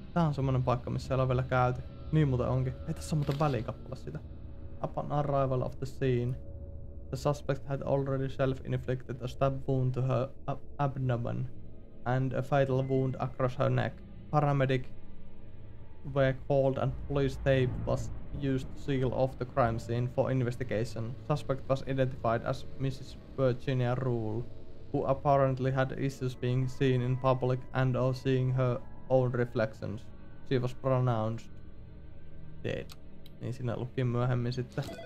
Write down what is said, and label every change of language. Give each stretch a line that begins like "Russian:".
Finnish: Tää on semmonen paikka, missä ei ole vielä käyty. Niin muuten onkin. Ei, tässä on muuten välikappala sitä.
English: Upon arrival of the scene. The suspect had already self-inflicted a stab wound to her abdomen and a fatal wound across her neck. Paramedic were called and police tape was used to seal off the crime scene for investigation. Suspect was identified as Mrs. Virginia Rule, who apparently had issues being seen in public and or seeing her own reflections. She was pronounced dead.
Finnish: Niin siinä luki myöhemmin sitten.